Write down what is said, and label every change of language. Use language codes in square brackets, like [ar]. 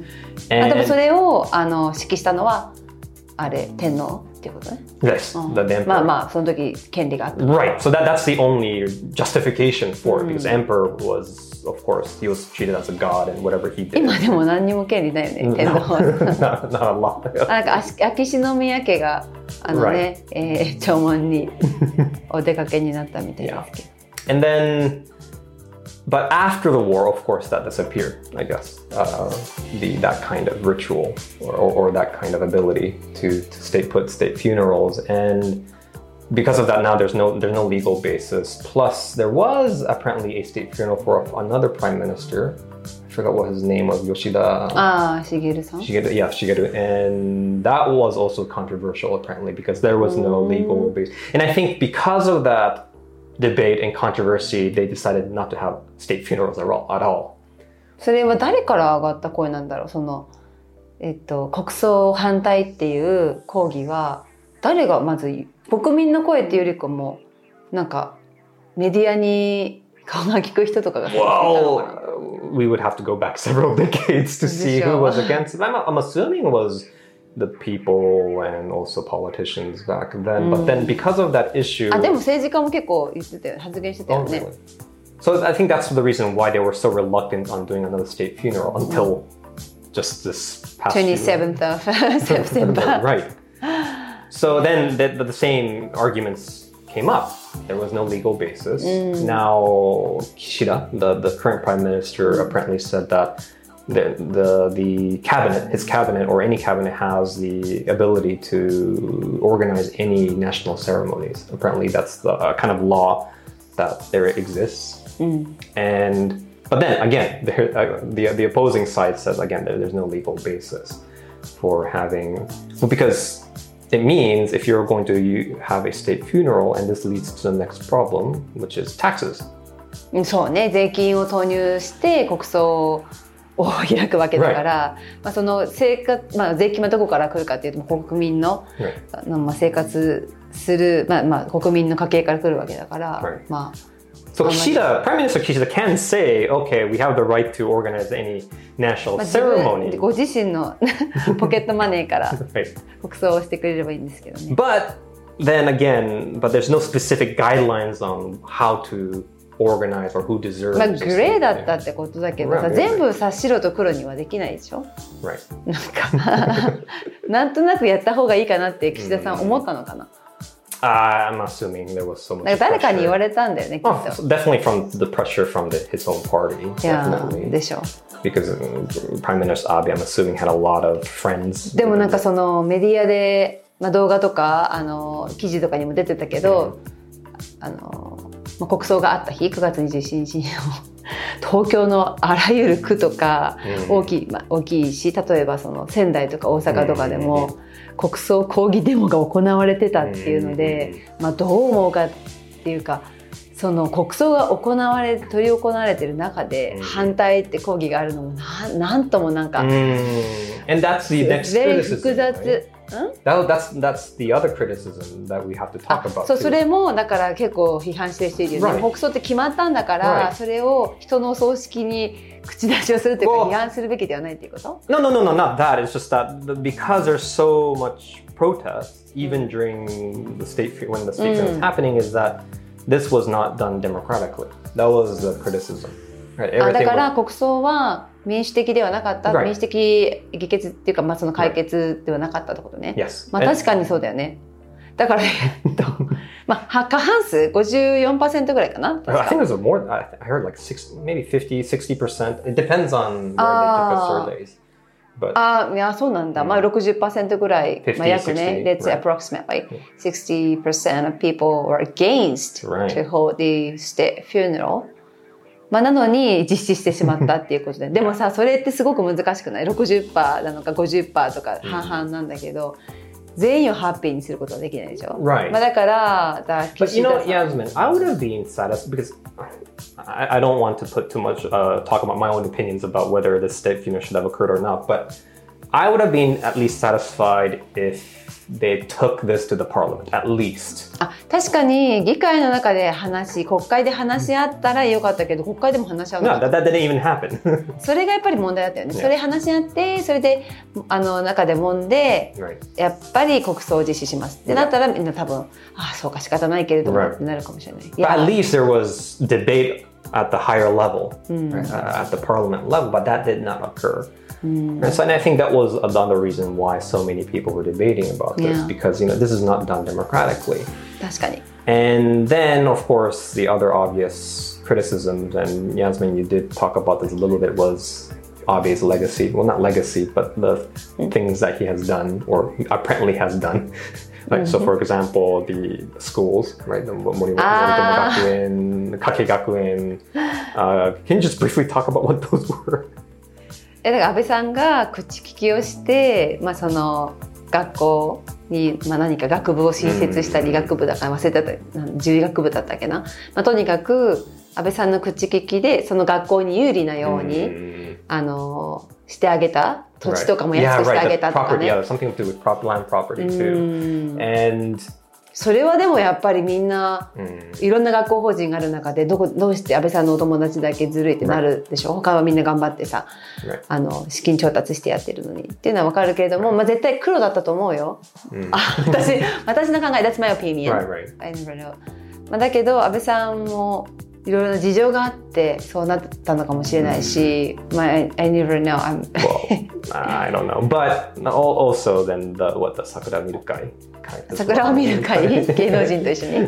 [ja] ん、And... あ、でもそれをあの指揮したのは、あれ、天皇っていうことね。 [en] Yes,、うん、the emperor. [ja] まあまあ、その時権利があった。 [en] Right, so that's the only justification for it, because emperor was... Of course, he was treated as a god and whatever he did. [ja] 今でも何にも権利ないよね、天皇 [en] は。Not a lot. [ja] なんか秋篠宮家があのね、right. 弔問にお出かけになったみたいですけど。 [en] Yeah. And then, but after the war, of course, that disappeared, I guess.、that kind of ritual or that kind of ability to stay put, state funerals. And because of that, now there's no legal basis. Plus, there was apparently a state funeral for another prime minister. I forgot what his name was. Yoshida... Shigeru-san? Shigeru. And that was also controversial, apparently, because there was no legal basis. And I think because of that debate and controversy, they decided not to have state funerals at all. [ja] それは誰から上がった声なんだろう?その、国葬反対っていう抗議は誰がまず国民の声っていうよりかも、なんか、メディアに顔が聞く人とかが好きだったのかな? [en] Well, we would have to go back several decades to see who was against it. I'm assuming it was the people and also politicians back then. But then because of that issue... [ja] あ、でも政治家も結構言ってたよ、発言してたよね。 [en] Oh, really? So I think that's the reason why they were so reluctant on doing another state funeral until just this past 27th of September. Right. So then the same arguments came up. There was no legal basis. Mm. Now Kishida, the current prime minister, apparently said that the cabinet, his cabinet or any cabinet has the ability to organize any national ceremonies. Apparently that's the kind of law that there exists. Mm. And, but then again, the opposing side says again, there's no legal basis for having, well, becauseIt means if you're going to have a state funeral and this leads to the next problem, which is taxes. [ja] そうね、税金を投入して国葬を開くわけだから、right. まあその生活、まあ、税金はどこから来るかというと国民の、right. あのまあ生活する、まあ、まあ国民の家計から来るわけだから、 [en] right. まあ、So Kishida, Prime Minister Kishida can say, okay, we have the right to organize any national ceremony. [ja] ご自身のポケットマネーから国葬をしてくれればいいんですけどね。 [en] But then again, but there's no specific guidelines on how to organize or who deserves. [ja] まあグレーだったってことだけどさ、全部さ白と黒にはできないでしょ。 [en] Right. [ja] なんかなんとなくやった方がいいかなって岸田さん思ったのかな。 [en] I'm assuming there was so much pressure. [ja] 誰かに言われたんだよね、きっと。 [en] Oh, definitely from the pressure from his own party. Yeah, [ja] でしょ。 [en] Because Prime Minister Abe, I'm assuming, had a lot of friends. [ja] でもなんかそのメディアで、まあ、動画とかあの記事とかにも出てたけど、yeah. あのまあ、国葬があった日、9月27日の東京のあらゆる区とか、yeah. 大きいし、例えばその仙台とか大阪とかでも、yeah. 国葬抗議デモが行われてたっていうので、まあ、どう思うかっていうかその国葬が行われ取り行われてる中で反対って抗議があるのも なんともなんか、 [en] And that's the next criticism, [ja] 複雑、 [en] right? That's the other criticism that we have to talk about. [ja] そう、それもだから結構批判してるよね。Right. 国葬って決まったんだから、right. それを人の葬式に口出しをするというか、well, 批判するべきではないということ [en] No, not that. It's just that because there's so much protest, even during when the state was happening, is that this was not done democratically. That was the criticism. Right. [ja] だから国葬は民主的ではなかった、right. 民主的議決っていうか、まあ、その解決ではなかったってことね、 [en] yes. [ja] まあ、確かにそうだよね、だから、まあ、過半数 54% ぐらいかな、確か [en] I think there's more, I heard like six, maybe 50-60%, it depends on where they took the surveys. But, [ja] あ、いや、そうなんだ、まあ、60% ぐらい、まあ、約ね、 [en] let's say approximately 60% of people were against、right. to hold the state funeral [ja] まあ、なのに実施してしまったっていうことで、でもさ、それってすごく難しくない ?60% なのか 50% とか半々なんだけど、全員をハッピーにすることはできないでしょ、 [en] right. [ja] まあ、だから、 [en] But you know, Yasmin, I would have been satisfied because I don't want to put too much talk about my own opinions about whether the state funeral should have occurred or not, but I would have been at least satisfied if they took this to the parliament, at least. [ja] あ、確かに議会の中で話し、国会で話し合ったらよかったけど、国会でも話し合わなかった。 [en] No, that didn't even happen. [ja] それがやっぱり問題だったよね。Yeah. それ話し合って、それであの中で揉んで、 [en] right. [ja] やっぱり国葬を実施します。ってなったら、みんな多分、ああ、そうか仕方ないけれども、right. なるかもしれない。 [en] But、yeah. at least there was debate at the higher level,、mm. At the parliament level, but that did not occur. And so, and I think that was another reason why so many people were debating about this、yeah. because you know, this is not done democratically. [ja] 確かに。 [en] And then, of course, the other obvious criticisms, and Yasmin, you did talk about this a little bit, was Abe's legacy. Well, not legacy, but the、mm-hmm. things that he has done or apparently has done. Like,、mm-hmm. So, for example, the schools, right? The Morimoto-gakuen, Kakegakuen. Can you just briefly talk about what those were? [ja] だから安倍さんが口利きをして、まあ、その学校に、まあ、何か学部を新設したり、うん、学部だから忘れてた獣医学部だったっけな、まあ、とにかく安倍さんの口利きでその学校に有利なように、うん、あのしてあげた土地とかも安くしてあげたとかね、 [en] right. yeah, right. Property, yeah, something to do with land property too、うん、and [ja] それはでもやっぱりみんな、うん、いろんな学校法人がある中で どうして安倍さんのお友達だけずるいってなるでしょ、right. 他はみんな頑張ってさ、right. あの資金調達してやってるのにっていうのは分かるけれども、right. まあ、絶対黒だったと思うよ、mm. 私の考え [en] That's my opinion、 right, right. I don't know. [ja] まあ、だけど安倍さんもいろいろな事情があってそうなったのかもしれないし、mm. [en] まあ、I never know I'm... well, I don't know but also then the, what the 桜見る会 [ja] 桜を見る会、芸能人と一緒に。